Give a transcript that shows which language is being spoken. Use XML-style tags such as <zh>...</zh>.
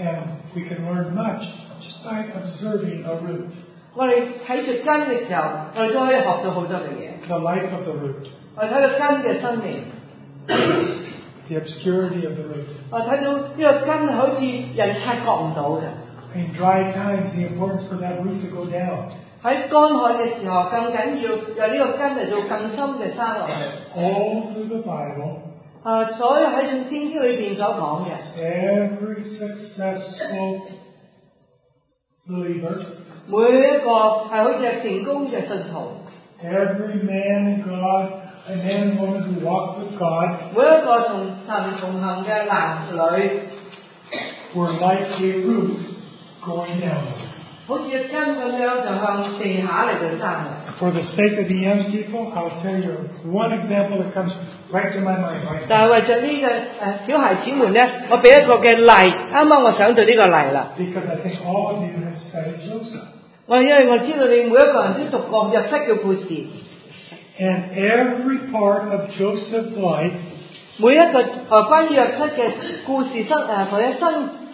<en>And we can learn much just by observing a root.</en> <yue>我哋睇住根嘅时候，我哋都可以学到好多嘅嘢。</yue> <en>The life of the root.</en> <yue>我睇到根嘅生命。</yue> <en>The obscurity of the root.</en> <yue>我睇到呢个根好似人察觉唔到嘅。</yue> <en>In dry times, the importance for that root to go down.</en> <yue>喺干旱嘅时候，更紧要由呢个根嚟做更深嘅生落去。</yue> <en>All through the Bible.</en> <yue>所有喺圣经里边所讲嘅。</yue> <en>Every successful believer.</en> <yue>每一个系好似成功嘅信徒。</yue> <en>Every man in God. A man and woman who walk with God.</en> <yue>每一个同神同行嘅男女</yue> <en>were like a root going down.</en> <yue>好似一根咁样就向地下嚟到生。</yue> <en>For the sake of the young people, I'll tell you one example that comes right to my mind. Right now.</en> <yue>但系为咗呢个小孩子们咧，我俾一个嘅例，啱啱我想到呢个例啦。</yue> <en>Because I think all of you have studied Joseph.</en> <yue>我因为我知道你每一个人都读过约瑟嘅故事。</yue> <en>And every part of Joseph's life,</en> <yue>每一个关于约瑟嘅故事生，佢一生</yue>